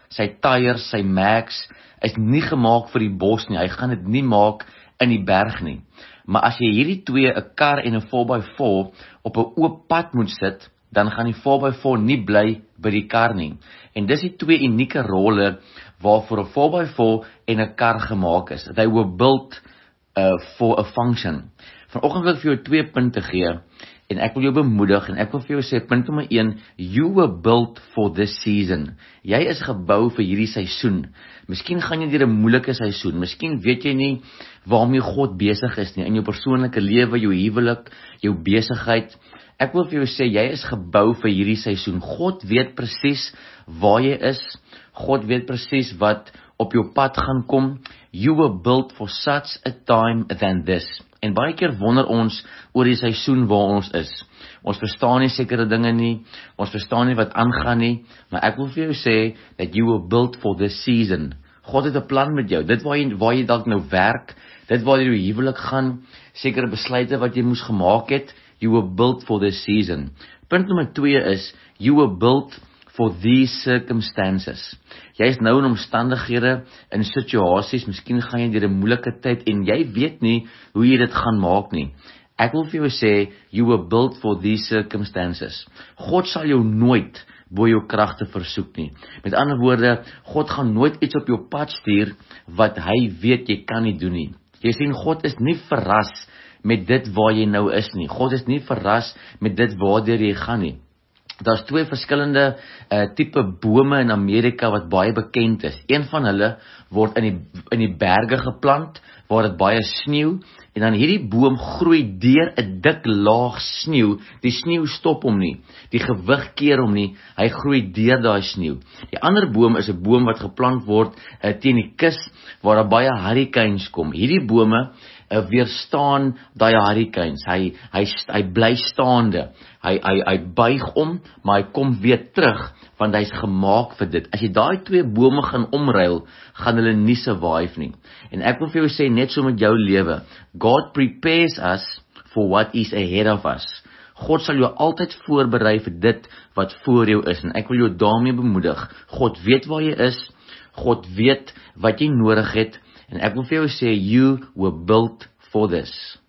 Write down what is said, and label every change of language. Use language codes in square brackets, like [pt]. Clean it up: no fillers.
[af] Sy tyres, sy mags is nie gemaak vir die bos nie. Hy gaan dit nie maak in die berg nie. Maar as jy hierdie twee, 'n kar en 'n 4x4, op 'n oop pad moet sit, dan gaan die 4x4 nie bly by die kar nie. En dis die twee unieke rolle waarvoor 'n 4x4 en 'n kar gemaak is. [en] They were built for a function. [af] Vanoggend wil ek vir jou twee punte gee en ek wil jou bemoedig en ek wil vir jou sê punt nommer 1, [en] you were built for this season. [af] Jy is gebou vir hierdie seisoen. Miskien gaan jy deur 'n moeilike seisoen. Miskien weet jy nie waarmee God besig is nie in jou persoonlike lewe, jou huwelik, jou besigheid. Ek wil vir jou sê jy is gebou vir hierdie seisoen. God weet presies waar jy is. God weet presies wat op jou pad gaan kom. [en] You were built for such a time than this. [af] En baie keer wonder ons oor die seisoen waar ons is. Ons verstaan nie sekere dinge nie, ons verstaan nie wat aangaan nie, maar ek wil vir jou sê [en] that you were built for this season. [af] God het 'n plan met jou. Dit waar jy dalk nou werk, dit waar jy jou huwelik gaan, sekere besluite wat jy moes gemaak het, [en] you were built for this season. [af] Punt nommer 2 is [en] you were built for these circumstances. [af] Jy is nou in omstandighede, in situasies, miskien gaan jy deur 'n moeilike tyd en jy weet nie hoe jy dit gaan maak nie. Ek wil vir jou sê, [en] you were built for these circumstances. [af] God sal jou nooit bo jou kragte versoek nie. Met ander woorde, God gaan nooit iets op jou pad stuur wat hy weet jy kan nie doen nie. Jy sien, God is nie verras met dit waar jy nou is nie. God is nie verras met dit waardeur jy gaan nie. Daar's twee verskillende tipe bome in Amerika wat baie bekend is. Een van hulle word in die berge geplant waar dit baie sneeu en dan hierdie boom groei deur 'n dik laag sneeu. Die sneeu stop hom nie. Die gewig keer hom nie. Hy groei deur daai sneeu. Die ander boom is 'n boom wat geplant word teen die kus waar daar baie hurricanes kom. Hierdie bome weerstaan daai hurricanes. Hy bly staande. Hy buig om, maar hy kom weer terug want hy's gemaak vir dit. As jy daai twee bome gaan omruil, gaan hulle nie survive nie. En ek wil vir jou sê net so met jou lewe. [en] God prepares us for what is ahead of us. [af] God sal jou altyd voorberei vir dit wat voor jou is en ek wil jou daarmee bemoedig. God weet waar jy is. God weet wat jy nodig het. [en] And I will say, you were built for this.